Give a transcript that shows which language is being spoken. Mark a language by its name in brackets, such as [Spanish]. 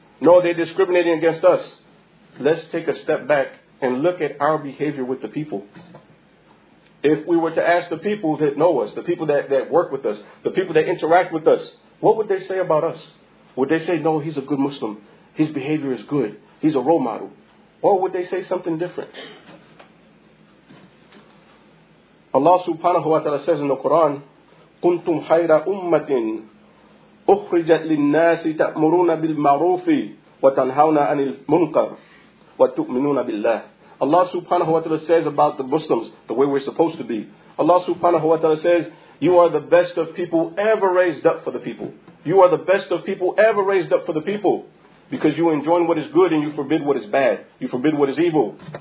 [English] No, they're discriminating against us. Let's take a step back and look at our behavior with the people. If we were to ask the people that know us, the people that work with us, the people that interact with us, what would they say about us? Would they say, no, he's a good Muslim. His behavior is good. He's a role model. Or would they say something different? Allah subhanahu wa ta'ala says in the Quran, [Arabic] كُنْتُمْ خَيْرَ أُمَّةٍ أُخْرِجَتْ لِلنَّاسِ تَأْمُرُونَ بِالْمَعْرُوفِ وَتَنْهَوْنَ عَنِ الْمُنْكَرِ وَتُؤْمِنُونَ بِاللَّهِ. [English] Allah subhanahu wa ta'ala says about the Muslims, the way we're supposed to be. Allah subhanahu wa ta'ala says, you are the best of people ever raised up for the people. You are the best of people ever raised up for the people. Because you enjoin what is good and you forbid what is bad. You forbid what is evil.